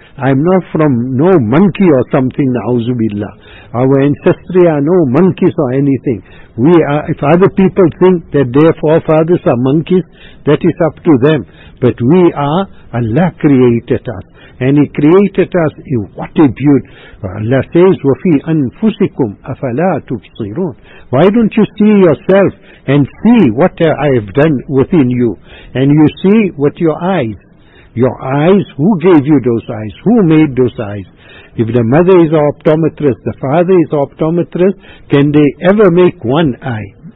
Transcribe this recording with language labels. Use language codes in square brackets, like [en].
[en] I'm not from no monkey or something, na'uzu billah. Our ancestry are no monkeys or anything. We are. If other people think that their forefathers are monkeys, that is up to them. But we are, Allah created us. And he created us, what a beauty. Allah says, [ar] وَفِي أَنفُسِكُمْ أَفَلَا تُبْصِرُونَ. [en] Why don't you see yourself and see what I have done within you? And you see with your eyes. Your eyes, who gave you those eyes? Who made those eyes? If the mother is an optometrist, the father is an optometrist, can they ever make one eye?